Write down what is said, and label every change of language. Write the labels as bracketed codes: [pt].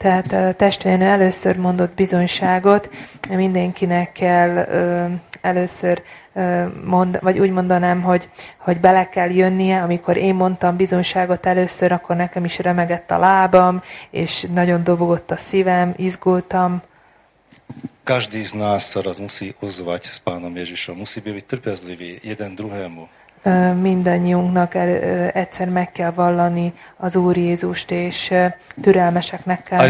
[hu] Tehát testvérnő először mondott bizonyságot, mindenkinek kell először vagy úgy mondanám, hogy bele kell jönnie, amikor én mondtam bizonyságot először, akkor nekem is remegett a lábam, és nagyon dobogott a szívem, izgultam. [sk] Každý z nás raz musí ozvať s Pánom Ježišom, musí byť trpezlivý jeden druhému. [hu] Mindannyiunknak egyszer meg kell vallani az Úr Jézust, és türelmeseknek kell lenni